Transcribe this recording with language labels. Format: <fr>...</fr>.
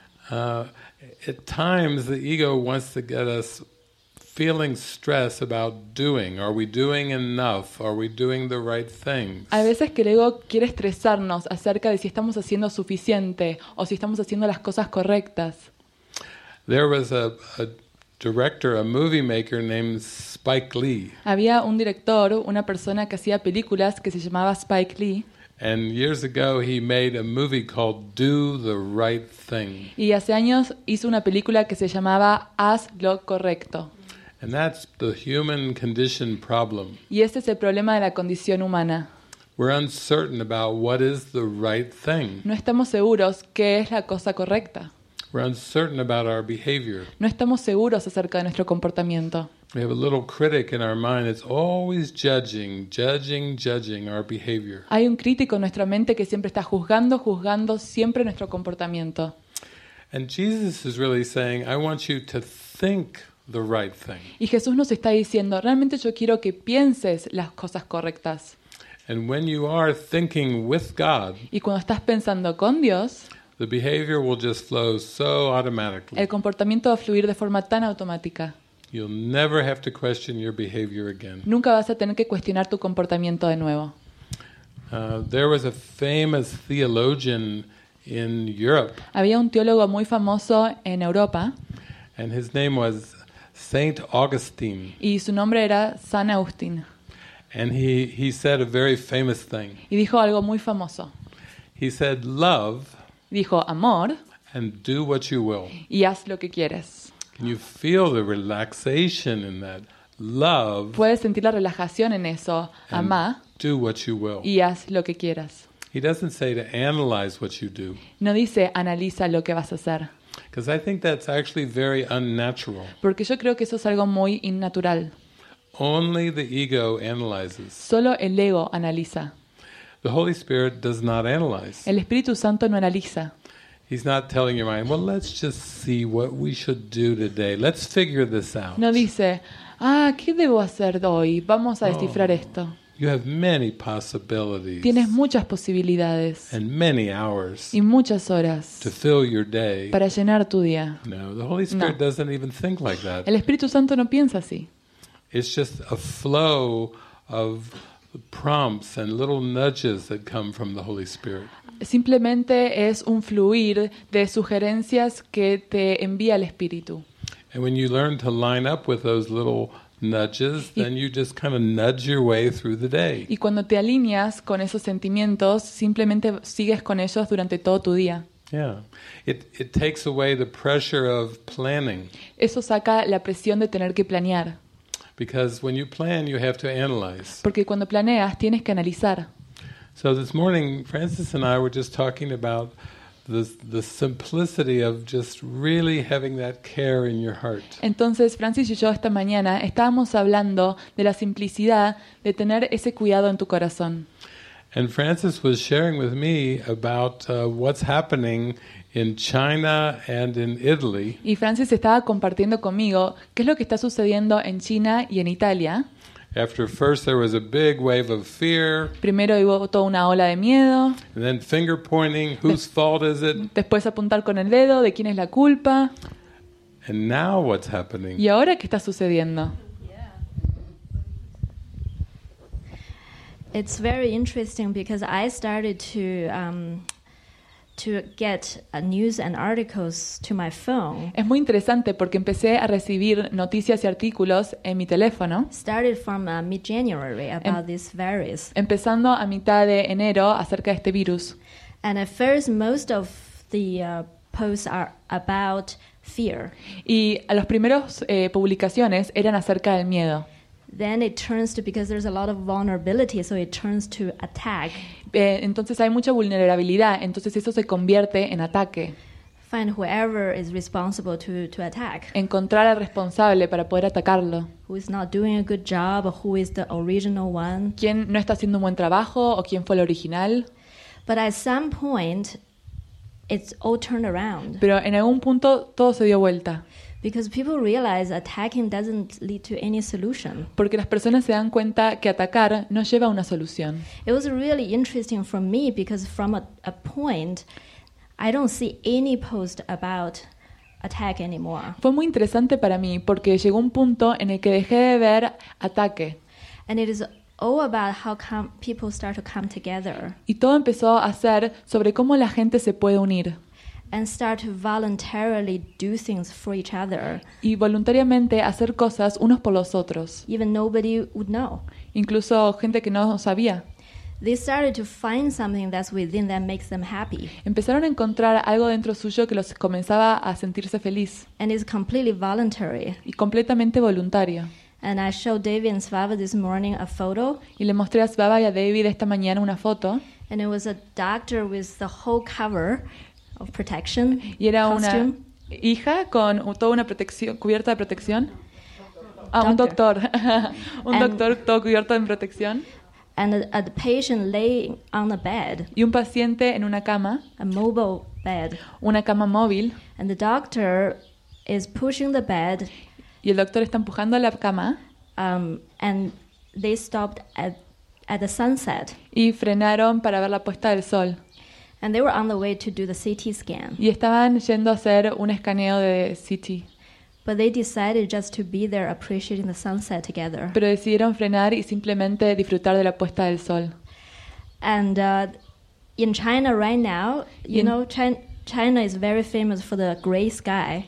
<en>At times, the ego wants to get us feeling stress about doing. Are we doing enough? Are we doing the right things?</en> <es>A veces que el ego quiere estresarnos acerca de si estamos haciendo suficiente o si estamos haciendo las cosas correctas.</es> <en>There was a director, a movie maker named Spike Lee.</en> <es>Había un director, una persona que hacía películas que se llamaba Spike Lee.</es> <en>And years ago, he made a movie called "Do the Right Thing."</en> <es>Y hace años hizo una película que se llamaba "Haz lo correcto."</es> <en>And that's the human condition problem.</en> <es>Y este es el problema de la condición humana.</es> <en>We're uncertain about what is the right thing.</en> <es>No estamos seguros qué es la cosa correcta.</es> <en>We're uncertain about our behavior.</en> <es>No estamos seguros acerca de nuestro comportamiento.</es> <en>We have a little critic in our mind that's always judging our behavior.</en> <es>Hay un crítico en nuestra mente que siempre está juzgando siempre nuestro comportamiento.</es> <en>And Jesus is really saying, I want you to think the right thing.</en> <es>Y Jesús nos está diciendo, realmente yo quiero que pienses las cosas correctas.</es> <en>And when you are thinking with God,</en> <es>y cuando estás pensando con Dios,</es> <en>the behavior will just flow so automatically.</en> <es>El comportamiento va a fluir de forma tan automática.</es> <en>You'll never have to question your behavior again.</en> <es>Nunca vas a tener que cuestionar tu comportamiento de nuevo.</es> <en>There was a famous theologian in Europe.</en> <es>Había un teólogo muy famoso en Europa.</es> <en>And his name was Saint Augustine.</en> <es>Y su nombre era San Agustín.</es> <en>And he said a very famous thing.</en> <es>Y dijo algo muy famoso.</es> <en>He said, "Love."</en> <es>Dijo amor.</es> <en>And do what you will.</en> <es>Y haz lo que quieres.</es> <en>You feel the relaxation in that love.</en> <es>Puedes sentir la relajación en eso. Ama.</es> <en>Do what you will.</en> <es>Y haz lo que quieras.</es> <en>He doesn't say to analyze what you do.</en> <es>No dice analiza lo que vas a hacer.</es> <en>Because I think that's actually very unnatural.</en> <es>Porque yo creo que eso es algo muy innatural.</es> <en>Only the ego analyzes.</en> <es>Solo el ego analiza.</es> <en>The Holy Spirit does not analyze.</en> <es>El Espíritu Santo no analiza.</es> <en>He's not telling your mind, well, let's just see what we should do today. Let's figure this out.</en> <es>No dice, ah, ¿qué debo hacer hoy? Vamos a descifrar esto.</es> <en>You have many possibilities.</en> <es>Tienes muchas posibilidades.</es> <en>And many hours.</en> <es>Y muchas horas.</es> <en>To fill your day.</en> <es>Para llenar tu día.</es> <en>No, the Holy Spirit doesn't even think like that.</en> <es>El Espíritu Santo no piensa así.</es> <en>It's just a flow of prompts and little nudges that come from the Holy Spirit.</en> <es>Simplemente es un fluir de sugerencias que te envía el Espíritu.</es> <en>And when you learn to line up with those little nudges, then you just kind of nudge your way through the day.</en> <es>Y cuando te alineas con esos sentimientos, simplemente sigues con ellos durante todo tu día.</es> <en>Yeah. It takes away the pressure of planning.</en> <es>Eso saca la presión de tener que planear.</es> <en>Because when you plan, you have to analyze.</en> <es>Porque cuando planeas, tienes que analizar.</es> <en>So this morning, Francis and I were just talking about the simplicity of just really having that care in your heart.</en> <es>Entonces, Francis y yo esta mañana estábamos hablando de la simplicidad de tener ese cuidado en tu corazón.</es> <en>And Francis was sharing with me about what's happening in China and in Italy.</en> <es>Y Francis estaba compartiendo conmigo qué es lo que está sucediendo en China y en Italia.</es> <en>After first there was a big wave of fear.</en> <es>Primero hubo toda una ola de miedo.</es> <en>And then finger pointing, whose fault is it?</en> <es>Después apuntar con el dedo, ¿de quién es la culpa?</es> <en>And now what's happening?</en> <es>¿Y ahora qué está sucediendo?</es> <en>It's very interesting because I started to to get news and articles to my phone.</en> <es>Es muy interesante porque empecé a recibir noticias y artículos en mi teléfono.</es> <en>Started from mid-January about this virus.</en> <es>Empezando a mitad de enero acerca de este virus.</es> <en>And at first, most of the posts are about fear.</en> <es>Y a los primeros publicaciones eran acerca del miedo.</es> <en>Then it turns to, because there's a lot of vulnerability, so it turns to attack.</en> <es>Entonces hay mucha vulnerabilidad, entonces eso se convierte en ataque.</es> <en>Find whoever is responsible to attack.</en> <es>Encontrar al responsable para poder atacarlo.</es> <en>Who is not doing a good job, or who is the original one.</en> <es>¿Quién no está haciendo un buen trabajo o quién fue el original?</es> <en>But at some point, it's all turned around.</en> <es>Pero en algún punto todo se dio vuelta.</es> <en>Because people realize attacking doesn't lead to any solution.</en> <es>Porque las personas se dan cuenta que atacar no lleva a una solución.</es> <en>It was really interesting for me because from a point, I don't see any post about attack anymore.</en> <es>Fue muy interesante para mí porque llegó un punto en el que dejé de ver ataque.</es> <en>And it is all about how people start to come together.</en> <es>Y todo empezó a ser sobre cómo la gente se puede unir.</es> <en>And start to voluntarily do things for each other.</en> <es>Y voluntariamente hacer cosas unos por los otros.</es> <en>Even nobody would know.</en> <es>Incluso gente que no sabía.</es> <en>They started to find something that's within that makes them happy.</en> <es>Empezaron a encontrar algo dentro suyo que los comenzaba a sentirse feliz.</es> <en>And it's completely voluntary.</en> <es>Y completamente voluntario.</es> <en>And I showed David and Svava this morning a photo.</en> <es>Y le mostré a Svava y a David esta mañana una foto.</es> <en>And it was a doctor with the whole cover. Of protection,</en> <es>y era</es> <en>costume.</en> <es>Una hija con toda una protección, cubierta de protección. Ah, un doctor. Un doctor todo cubierto en protección.</es> <en>And a patient laying on a bed.</en> <es>Y un paciente en una cama.</es> <en>A mobile bed.</en> <es>Una cama móvil.</es> <en>And the doctor is pushing the bed.</en> <es>Y el doctor está empujando la cama.</es> <en>And they stopped at the sunset.</en> <es>Y frenaron para ver la puesta del sol.</es> <en>And they were on the way to do the CT scan.</en> <es>Y estaban yendo a hacer un escaneo de CT.</es> <en>But they decided just to be there appreciating the sunset together.</en> <es>Pero decidieron frenar y simplemente disfrutar de la puesta del sol.</es> <en>And in China right now, you know, China is very famous for the gray sky.</en>